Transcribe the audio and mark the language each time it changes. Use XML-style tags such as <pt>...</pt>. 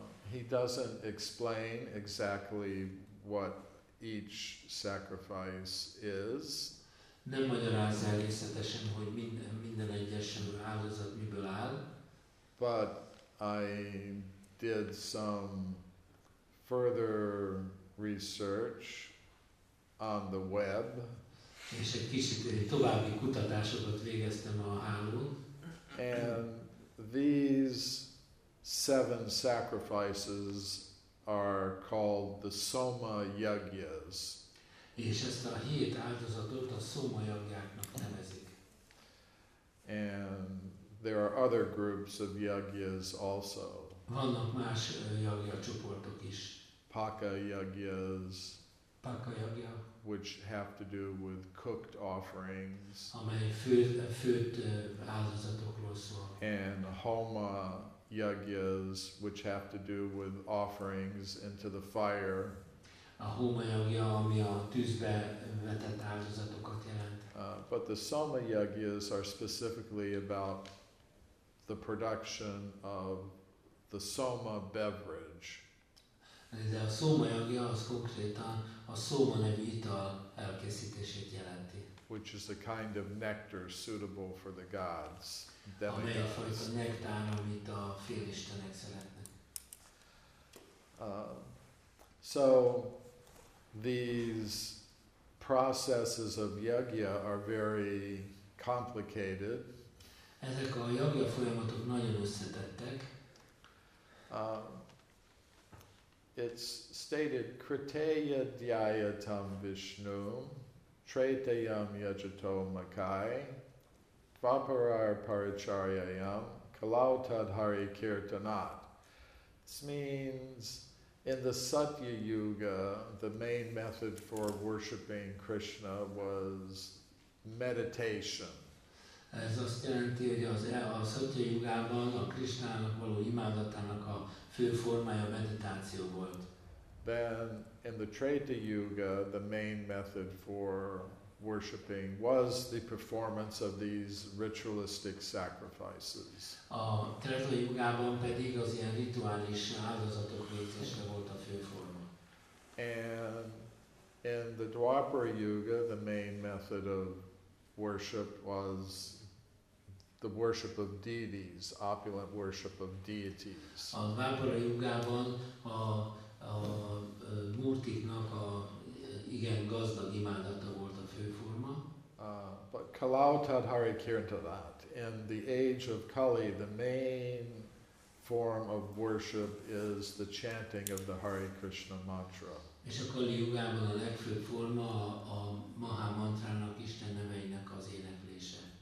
<en>He doesn't explain exactly what each sacrifice is.</en> <hu>Nem magyarázza részletesen, hogy minden egyes áldozat miből áll.</hu> <en>But I did some further research on the web.</en> <hu>És egy kicsit további kutatásokat végeztem a hálón.</hu> <en>And these seven sacrifices are called the Soma Yagyas.</en> <hu>És ezt a hét áldozatot a Soma Yagyáknak nevezik.</hu> <en>And there are other groups of yagyas also.</en> <hu>Vannak más yagya csoportok is.</hu> <en>Paka yagyas.</en> <hu>Paka yagya.</hu> <en>Which have to do with cooked offerings.</en> <hu>Amely főtt áldozatokról szól.</hu> <en>And homa yagyas, which have to do with offerings into the fire.</en> <hu>A homa yagya, ami a tűzbe vetett áldozatokat jelent.</hu> <en>But the soma yagyas are specifically about the production of the soma beverage.</en> <hu>De a soma yagya az konkrétan a soma nevű ital elkészítését jelenti.</hu> <en>Which is a kind of nectar suitable for the gods.</en> <hu>Amely fajta nektár, amit a félistenek szeretnek.</hu> <en>So these processes of yagya are very complicated.</en> <hu>Ezek a yagya folyamatok nagyon összetettek.</hu> <sa>It's stated kriteya dhyayatam vishnu treitayam yajato makai vaparar paracharyayam kalautad hari kirtanat.</sa> <en>This means in the satya yuga the main method for worshipping Krishna was meditation.</en> <hu>Ez azt jelenti, hogy a Satya Yugában a Krisnának való imádatának a fő formája meditáció volt.</hu> <en>Then in the Treta Yuga, the main method for worshipping was the performance of these ritualistic sacrifices.</en> <hu>A Treta Yugában pedig az ilyen rituális áldozatok végzése volt a fő forma.</hu> <en>And in the Dwapara Yuga, the main method of worship was the worship of deities, opulent worship of deities.</en> <hu>A Dvapara Yugában a murtiknak a igen gazdag imádata volt a fő forma.</hu> <en>But</en> <sa>Kalautad Hari Kirtanat,</sa> <en>in the age of Kali, the main form of worship is the chanting of the Hare Krishna mantra.</en> <hu>És a Kali Yugában a legfőbb forma a Maha mantrának, Isten neveinek az éneklése.</hu>